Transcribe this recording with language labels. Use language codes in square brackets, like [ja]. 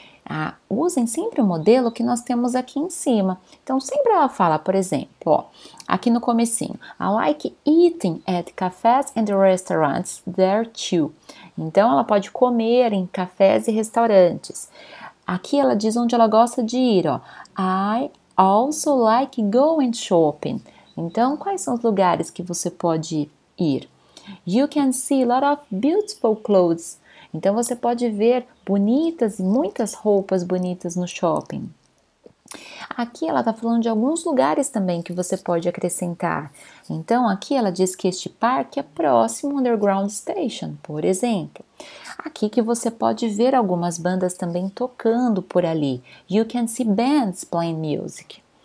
[pt] Ah, usem sempre o modelo que nós temos aqui em cima. Então, sempre ela fala, por exemplo, ó, aqui no comecinho, [en] I like eating at cafes and restaurants there too. [pt] Então, ela pode comer em cafés e restaurantes. Aqui ela diz onde ela gosta de ir, ó. [en] I also like going shopping. [pt] Então, quais são os lugares que você pode ir? [en] You can see a lot of beautiful clothes. [pt] Então, você pode ver bonitas e muitas roupas bonitas no shopping. Aqui ela está falando de alguns lugares também que você pode acrescentar. Então, aqui ela diz que este parque é próximo ao Underground Station, por exemplo. Aqui que você pode ver algumas bandas também tocando por ali. [en] You can see bands playing music.